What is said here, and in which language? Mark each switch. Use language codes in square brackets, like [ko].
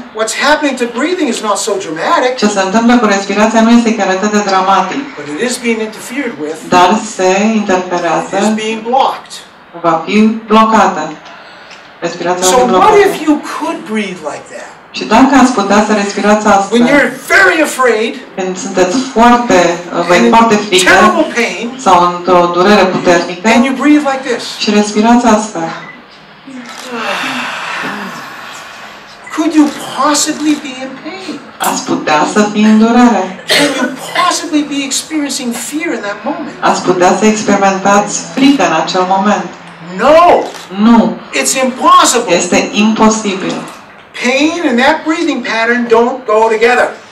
[en] what's happening to breathing is not so dramatic. [ro] Ce se întâmplă cu respirația nu este chiar atât de dramatic. [en] But it is being interfered with. [ro] Dar se interferează. [en] It is being blocked. [ro] Va fi blocată. Respirația [en] so [ro] va fi blocată. [en] What if you could breathe like that? [ro] Și dacă ați putea să respirați astfel, [en] when you're very afraid, [ro] când sunteți foarte, vă e foarte frică, [en] terrible pain, [ro] sau într-o durere puternică, [en] and you breathe like this, [ro] și respirați astfel, [en] could you possibly be in pain? [ro] Ați putea să fii în durere? [en] Can you possibly be experiencing fear in that moment? [ro] Ați putea să experimentați frică în acel moment? [en] No. [ro] Nu. [en] It's impossible. [ro] Este imposibil. [en] Pain and that breathing pattern don't go together.